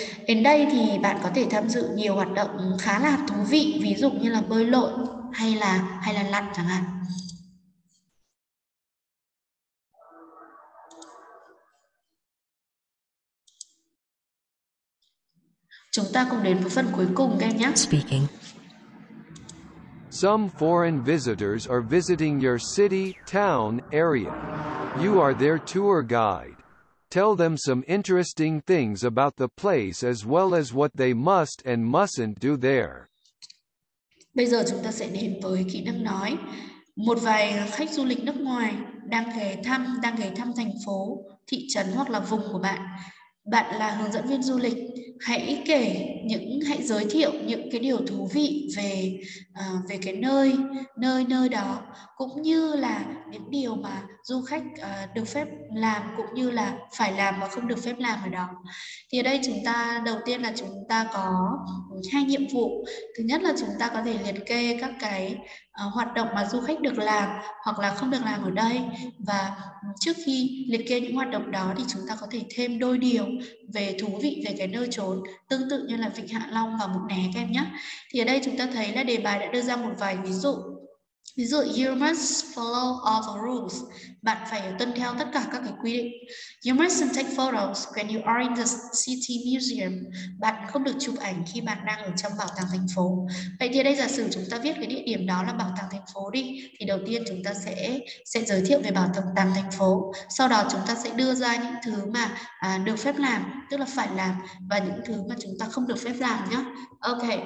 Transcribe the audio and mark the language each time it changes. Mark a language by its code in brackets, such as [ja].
[vi] Đến đây thì bạn có thể tham dự nhiều hoạt động khá là thú vị, ví dụ như là bơi lội hay là lặn chẳng hạn. Chúng ta cùng đến với phần cuối cùng các em nhé. [en] Speaking. Some foreign visitors are visiting your city, town, area. You are their tour guide. Tell them some interesting things about the place as well as what they must and mustn't do there. [vi] Bây giờ chúng ta sẽ đến với kỹ năng nói. Một vài khách du lịch nước ngoài đang ghé thăm thành phố, thị trấn hoặc là vùng của bạn. Bạn là hướng dẫn viên du lịch, hãy giới thiệu những cái điều thú vị về cái nơi đó, cũng như là những điều mà du khách được phép làm cũng như là phải làm và không được phép làm ở đó. Thì ở đây chúng ta đầu tiên là chúng ta có hai nhiệm vụ. Thứ nhất là chúng ta có thể liệt kê các cái hoạt động mà du khách được làm hoặc là không được làm ở đây, và trước khi liệt kê những hoạt động đó thì chúng ta có thể thêm đôi điều về thú vị về cái nơi chốn, tương tự như là Vịnh Hạ Long và Mũi Né các em nhé. Thì ở đây chúng ta thấy là đề bài đã đưa ra một vài ví dụ. [en] You must follow all the rules. [vi] Bạn phải tuân theo tất cả các cái quy định. [en] You mustn't take photos when you are in the city museum. [vi] Bạn không được chụp ảnh khi bạn đang ở trong bảo tàng thành phố. Vậy thì đây giả sử chúng ta viết cái địa điểm đó là bảo tàng thành phố đi, thì đầu tiên chúng ta sẽ giới thiệu về bảo tàng thành phố. Sau đó chúng ta sẽ đưa ra những thứ mà được phép làm, tức là phải làm, và những thứ mà chúng ta không được phép làm nhé. Ok.